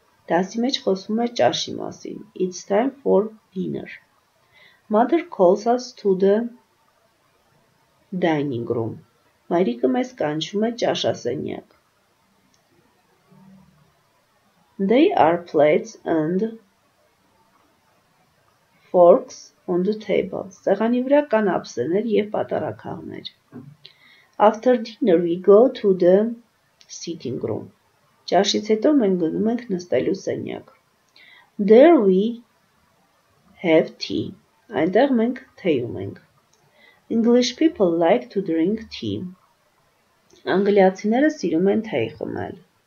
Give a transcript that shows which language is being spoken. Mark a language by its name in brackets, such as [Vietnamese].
[Armenian] Դասի մեջ խոսվում է ճաշի մասին. [English] It's time for dinner. Mother calls us to the dining room. [Armenian] Մայրիկը մեզ կանչում է ճաշասենյակ. [English] They are plates and forks on the table. [Armenian] Սեղանի վրա կան ափսեներ եւ պատառաքաղներ. [English] After dinner we go to the sitting room. [Armenian] Ճաշից հետո մենք գնում ենք նստելու սենյակ. [English] There we have tea. [Armenian] Այնտեղ մենք թեյ ունենք. [English] English people like to drink tea. [Armenian] Անգլիացիները սիրում են թեյ խմել։